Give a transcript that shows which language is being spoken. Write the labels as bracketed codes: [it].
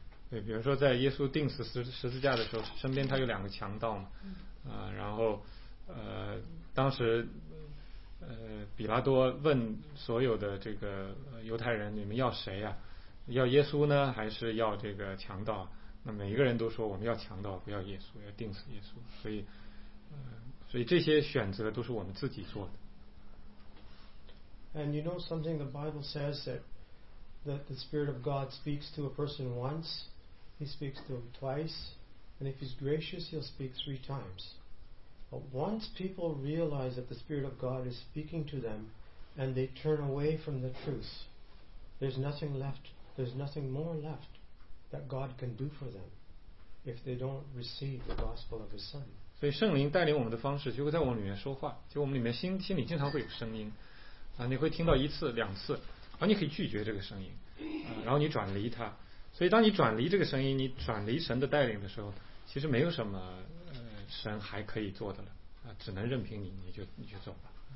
[zh] 对，比如说在耶稣钉死十字架的时候，身边他有两个强盗嘛，然后当时比拉多问所有的这个犹太人，你们要谁啊？要耶稣呢，还是要这个强盗？那每一个人都说我们要强盗，不要耶稣，要钉死耶稣。所以这些选择都是我们自己做的。 [en] And you know something, the Bible says that the Spirit of God speaks to a person once, he speaks to him twice, and if he's gracious, he'll speak three times. But once people realize that the Spirit of God is speaking to them, and they turn away from the truth, there's nothing more left that God can do for them if they don't receive the gospel of his Son. [zh] 所以圣灵带领我们的方式就会在我们里面说话，就我们里面心里经常会有声音啊，你会听到一次两次，然后你可以拒绝这个声音，然后你转离它。所以当你转离这个声音，你转离神的带领的时候，其实没有什么神还可以做的了，只能任凭你就走吧。